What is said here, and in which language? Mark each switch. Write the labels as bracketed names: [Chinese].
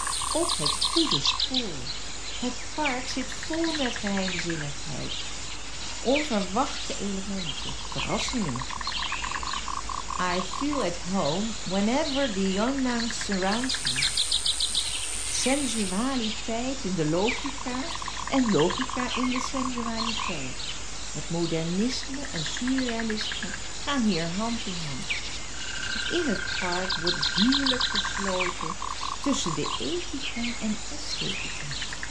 [Dutch] Op het goede spoor. Het paard zit vol met geheimzinnigheid. Onverwachte elementen, verrassingen. [English] I feel at home whenever the young man surrounds me. [Dutch] Sensualiteit in de logica en logica in de sensualiteit. Het modernisme en surrealisme gaan hier hand in hand. In het paard wordt duidelijk gesloten tussen de ethica en esthetica.